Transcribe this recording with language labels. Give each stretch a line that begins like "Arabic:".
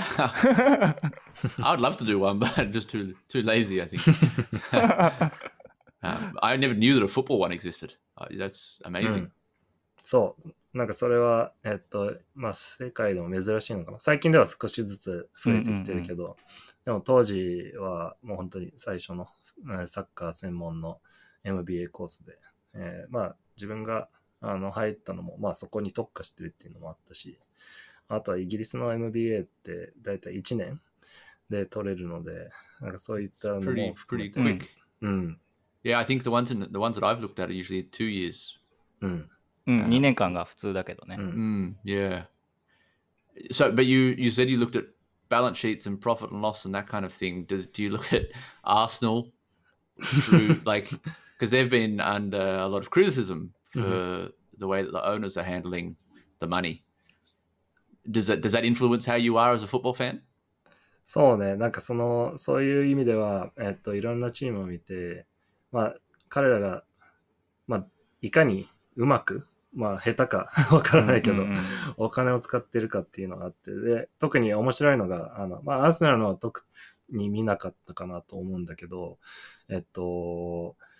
English: Yeah. I would love to do one, but just too lazy, I think. I never knew that a football one existed. That's amazing. そう。
Japanese: なんかそれは、まあ、世界でも珍しいのかな。最近では少しずつ増えてきてるけど、うんうんうん、でも当時はもう本当に最初のサッカー専門の MBA コースで、まあ自分が入ったのも、まあそこに特化してるっていうのもあったし、あとはイギリスの MBA ってだいたい1年で取れるので、なんかそういったのも含めて。うん。
English: Yeah, I think the ones that I've looked at are usually 2 years. うん。
Japanese: うん、2年間が普通だけどね。うん、yeah.
English: So, but you said you looked at balance sheets and profit and loss and that kind of thing. Do you look at Arsenal? Like, because they've been under a lot of criticism for the way that the owners are handling the money. Does that influence how you are as a football fan? そうね。
Japanese: なんかその、そういう意味では、いろんなチームを見て、まあ、彼らが、まあ、いかにうまく、まあ、下手か分からないけど、お金を使ってるかっていうのがあって、で、特に面白いのが、まあ、アーセナルのは特に見なかったかなと思うんだけど、降